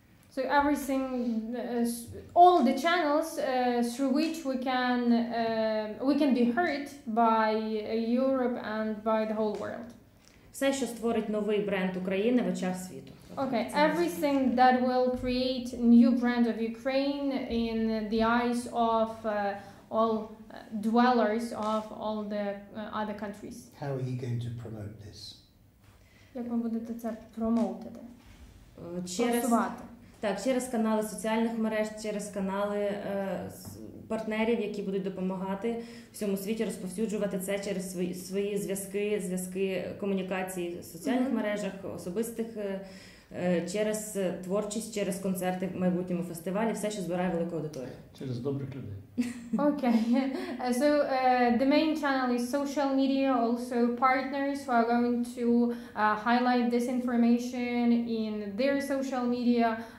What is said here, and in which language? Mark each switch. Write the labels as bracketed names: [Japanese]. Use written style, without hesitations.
[English] So everything, all the channels through which we can be heard by Europe and by the whole world. [Ukrainian] Все, що створить новий бренд України в очах світу. [English] Okay, everything that will create new brand of Ukraine in the eyes of all dwellers of all the other countries. How are you going to promote this? [Ukrainian] Як ви будете це промоутити? Просувати. Так, через канали соціальних мереж, через канали партнерів, які будуть допомагати всьому світі розповсюджувати це через свої зв'язки комунікації в соціальних мережах, особистих, через творчість, через концерти в майбутньому фестивалі, все, що збирає велику аудиторію. Через добрих людей. [English] Okay, so the main channel is social media, also partners who are going to highlight this information in their social media,